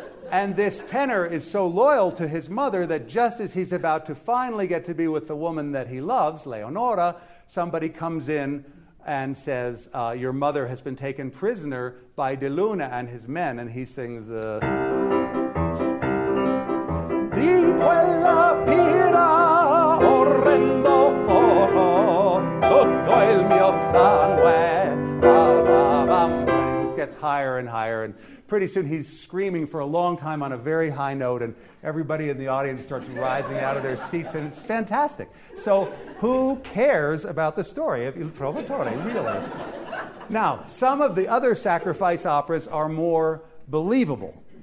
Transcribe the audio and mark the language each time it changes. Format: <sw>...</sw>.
<en>And this tenor is so loyal to his mother that just as he's about to finally get to be with the woman that he loves, Leonora, somebody comes in and says, your mother has been taken prisoner by De Luna and his men. And he sings the...</en> <it>Di quella pira orrendo fuoco tutto il mio sangue lavava.</it> <en>It just gets higher and higher, and pretty soon he's screaming for a long time on a very high note, and everybody in the audience starts rising out of their seats, and it's fantastic. So who cares about the story of Il Trovatore, really? Now, some of the other sacrifice operas are more believable.</en>